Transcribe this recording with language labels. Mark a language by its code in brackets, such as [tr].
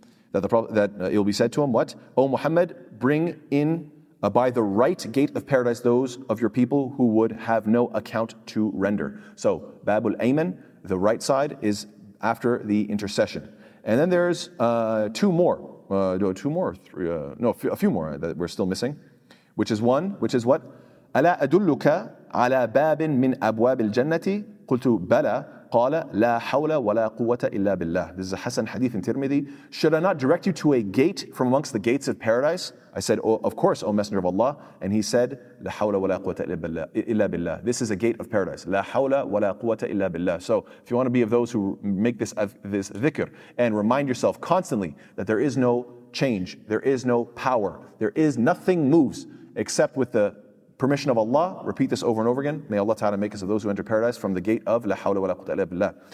[en] That it will be said to him, what? O Muhammad, bring in by the right gate of paradise those of your people who would have no account to render. So, Bab al-Ayman, the right side, is after the intercession. And then there's a few more that we're still missing, which is one, which is what? [ar] ألا أدلك على باب من أبواب الجنة؟ قلت بلى قال لا حول ولا قوة إلا بالله. [en] This is a Hassan hadith in Tirmidhi. Should I not direct you to a gate from amongst the gates of paradise? I said, oh, of course, O Messenger of Allah. And he said, [ar] لا حول ولا قوة إلا بالله. [en] This is a gate of paradise. [ar] لا حول ولا قوة إلا بالله. [en] So if you want to be of those who make this dhikr and remind yourself constantly that there is no change, there is no power, there is nothing moves except with the permission of Allah, repeat this over and over again. May Allah Ta'ala make us of those who enter paradise from the gate of La Hawla Wa La Quwwata Illa Billah.